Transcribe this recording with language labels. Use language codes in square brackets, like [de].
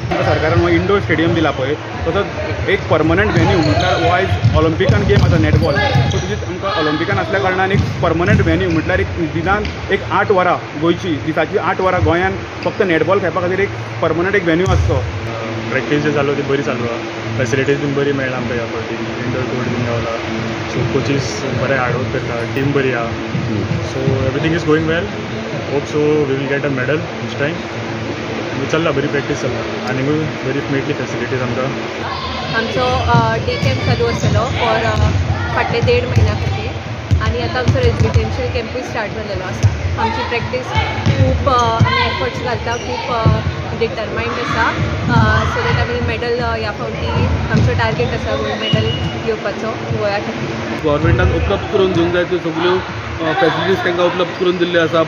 [gom] सरकारान हो indoor stadium दिला पळय तसोच एक पर्मनंट व्हेन्यू म्हटल्यार हो आयज ऑलिंपिकान गेम आसा नॅटबॉल सो तुजी आमकां ऑलिंपिकान आसल्या कारणान एक पर्मनंट व्हेन्यू म्हटल्यार एक दिसान एक 8 वरां गोंयची दिसाची 8 वरां गोंयान फक्त नॅटबॉल खेळपा खातीर एक पर्मनंट एक व्हेन्यू आसचो. प्रॅक्टीस जी चालू ती बरी चालू आहा. फेसिलिटीज बीन बरी मेळ्ळा आमकां ह्या फावटी. इंडोर कोर्ट बीन गावला. [en] so coaches बरे hard work [gom] करता. टीम बरी आहा. [en] So everything is going well. Hope so we will get a medal this time. [gom] चलना बरी प्रॅक्टीस चलना आनी बरी मेळटली फेसिलिटीज आमकां. आमचो डे कॅम्प चालू आसलो फॉर फाटले 1.5 म्हयन्या खातीर आनी आतां आमचो रेजिडेंशियल कॅम्पूय स्टार्ट जाल्लेलो आसा. आमची प्रॅक्टीस खूब आमी एफर्ट्स घालता. खूब डिटरमाइंड आसा सो दॅट आमी मॅडल ह्या फावटी आमचो टार्गेट आसा गोल्ड मॅडल घेवपाचो गोंया खातीर. गोवर्मेंटान उपलब्ध करून दिवंक जाय त्यो सगळ्यो फेसिलिटीज तांकां उपलब्ध करून दिल्ली आसा.